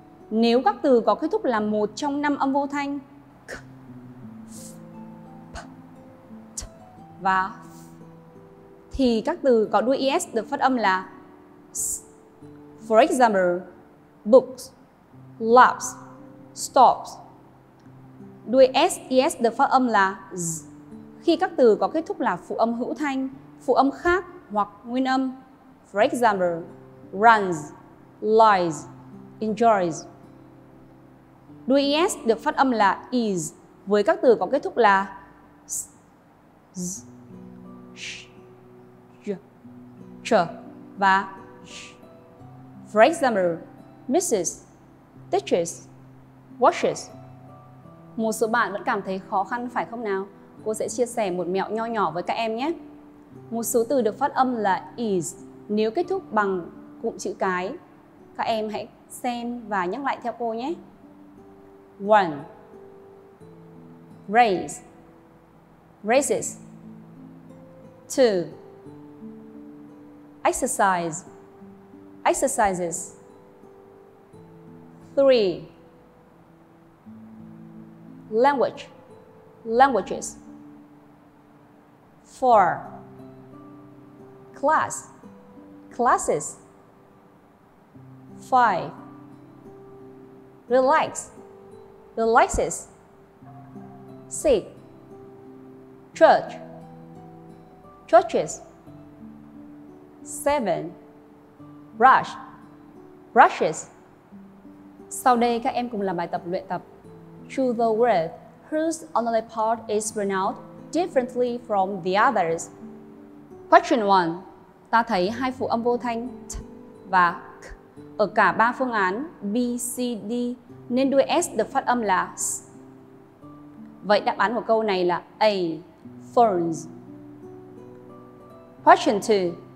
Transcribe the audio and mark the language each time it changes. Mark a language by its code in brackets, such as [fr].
[vi] Nếu các từ có kết thúc là một trong năm âm vô thanh k, f, p, t, và f, thì các từ có đuôi es được phát âm là s. [en] For example, books, labs, stops. [vi] Đuôi s, es được phát âm là z. Khi các từ có kết thúc là phụ âm hữu thanh, phụ âm khác hoặc nguyên âm. [en] For example, runs, lies, enjoys. [vi] Đuôi ES được phát âm là IS với các từ có kết thúc là S, Z, Sh, J, Ch và Sh. [en] For example, misses, teaches, washes. [vi] Một số bạn vẫn cảm thấy khó khăn phải không nào? Cô sẽ chia sẻ một mẹo nho nhỏ với các em nhé. Một số từ được phát âm là IS nếu kết thúc bằng cụm chữ cái. Các em hãy xem và nhắc lại theo cô nhé. [en] One, raise, raises, 2. Exercise. Exercises. 3. Language. Languages. 4. Class. Classes. 5. Relax. Relaxes. 6. Church. Churches. 7. Brush. Brushes. [vi] Sau đây các em cùng làm bài tập luyện tập. [en] Choose the word whose anal part is pronounced differently from the others. Question 1. [vi] Ta thấy hai phụ âm vô thanh t và k ở cả ba phương án B, C, D nên đuôi S được phát âm là s. Vậy đáp án của câu này là A. [en] Phones. Question 2.